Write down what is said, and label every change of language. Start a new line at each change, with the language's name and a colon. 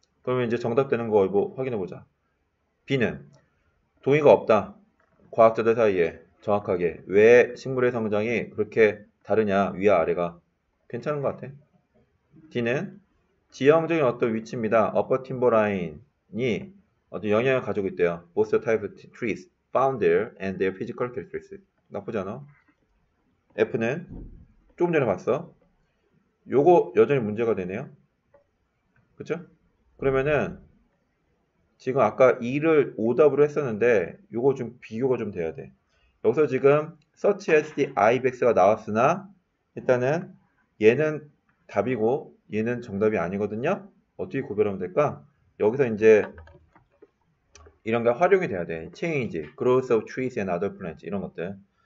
Korean: 그러면 이제 정답 되는 거 확인해 보자. B는 동의가 없다. 과학자들 사이에 정확하게 왜 식물의 성장이 그렇게 다르냐? 위와 아래가 괜찮은 것 같아. D는 지형적인 어떤 위치입니다. Upper timber line이 어떤 영향을 가지고 있대요.
English: Both the types of trees found there and their physical characteristics.
Korean: 나쁘지 않아. F는 조금 전에 봤어. 요거 여전히 문제가 되네요. 그쵸? 그러면은 지금 아까 E를 오답으로 했었는데 요거 좀 비교가 좀 돼야 돼. 여기서 지금
English: such as the ibex
Korean: 가 나왔으나 일단은 얘는 답이고 얘는 정답이 아니거든요. 어떻게 구별하면 될까? 여기서 이제 이런 게 활용이 돼야 돼.
English: Change, growth of trees and other plants
Korean: 이런 것들.